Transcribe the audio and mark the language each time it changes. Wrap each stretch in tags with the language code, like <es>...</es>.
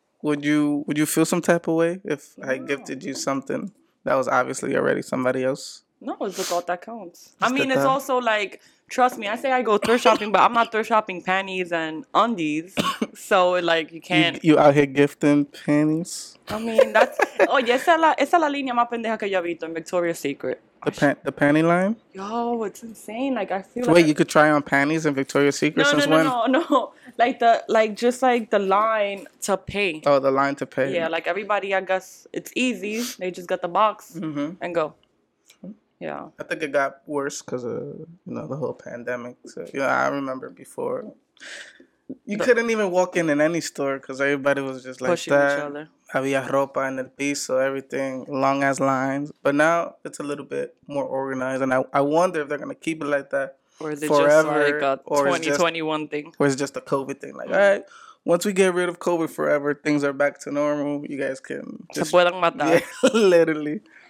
<en>Would you feel some type of way if I gifted you something that was obviously already somebody else? No, it's the thought that counts. It's also, like... Trust me, I say I go thrift shopping, but I'm not thrift shopping panties and undies. So, like, you can't... You out here gifting panties? I mean, that's...</en> <es>Oye, esa la línea más pendeja que yo he visto en Victoria's Secret.</es> <en>The panty line? Yo, it's insane. Like, I feel Wait, like... Wait, you could try on panties in Victoria's Secret since when? No. Like the line to pay. Oh, the line to pay. Yeah, like, everybody, I guess, it's easy. They just get the box and go. Yeah, I think it got worse because of the whole pandemic. So I remember before couldn't even walk in any store because everybody was just like pushing each other.</en> <es>Había ropa en el piso,</es> <en>everything long ass lines. But now it's a little bit more organized, and I wonder if they're gonna keep it like that forever, or is it just like a 2021 thing, or is it just a COVID thing? Like, all right, once we get rid of COVID forever, things are back to normal. You guys can just,</en> <es>se pueden matar.</es> <en>Yeah, literally.</en>